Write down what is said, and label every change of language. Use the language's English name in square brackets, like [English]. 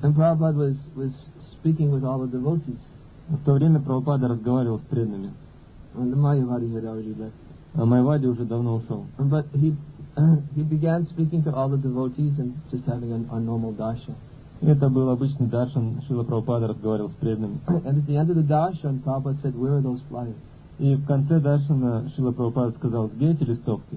[English] And Prabhupada was speaking with all the devotees. [Russian] В то время Прабхупада разговаривал с преданными. [English] And the Mayavadi had already left. [Russian] А Майавади уже давно ушел. [English] But he began speaking to all the devotees and just having a normal darshan. [Russian] Это был обычный даршан, Шрила Прабхупада разговаривал с преданными. [English] And at the end of the darshan, Prabhupada said, "Where are those flyers?" [Russian] И в конце даршана Шрила Прабхупада сказал, где эти листовки?